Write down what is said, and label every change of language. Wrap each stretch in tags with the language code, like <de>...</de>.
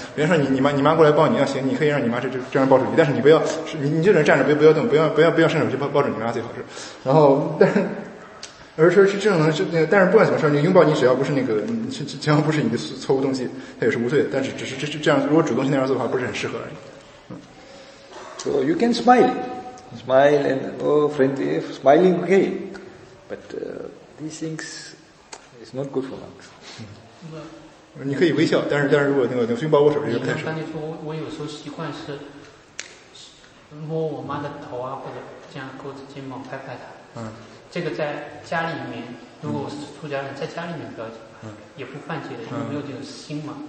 <zh>比如说你妈过来抱你，要行，你可以让你妈这样抱住你，但是你不要你就能站着不要动，不要伸手去抱住你妈最好是。然后而是这种是，但是不管怎么说，你拥抱你只要不是那个，只要不是你的错误动机，它也是无罪的。但是只是这样，如果主动性那样做的话，不是很适合而已。</zh> <en>So you can smile and oh friendly smiling okay, but these things. It's not good for monks.</en> <zh>你可以微笑，但是如果那个拥抱握手，这就不太适合。你说我有时候习惯是摸我妈的头啊，或者这样勾着肩膀拍拍她。嗯，这个在家里面，如果我是出家人，在家里面不要紧，也不犯戒的，因为没有这个心嘛。</zh>